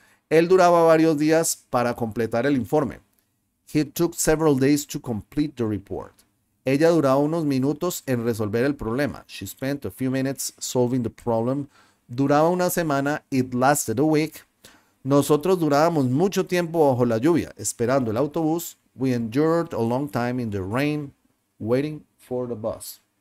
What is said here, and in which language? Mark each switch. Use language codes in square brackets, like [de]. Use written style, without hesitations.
[es] Él duraba varios días para completar el informe. [en] He took several days to complete the report. [es] Ella duraba unos minutos en resolver el problema. [en] She spent a few minutes solving the problem. [es] Duraba una semana. [en] It lasted a week. [es] Nosotros durábamos mucho tiempo bajo la lluvia, esperando el autobús. [en] We endured a long time in the rain, waiting for the bus.